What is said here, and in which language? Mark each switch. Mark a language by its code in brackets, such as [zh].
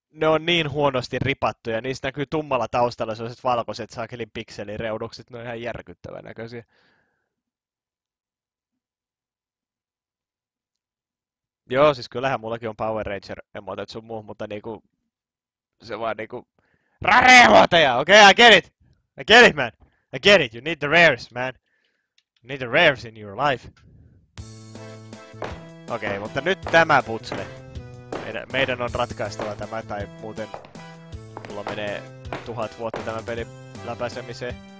[fi] Ne on niin huonosti ripattuja. Niistä näkyy tummalla taustalla sellaiset valkoiset saakelin pikselireunukset. Ne on ihan järkyttävän näköisiä. Joo, siis kyllähän mullakin on Power Ranger emotet sun muu, mutta niinku se vaan niinku RAREHOTEJA! [en] Okei, okay, I get it, man! I get it, you need the rares, man! You need the rares in your life! [fi] Okei, okay, mutta nyt tämä putsle. Meidän on ratkaistava tämä, tai muuten mulla menee 1000 vuotta tämän pelin läpäisemiseen.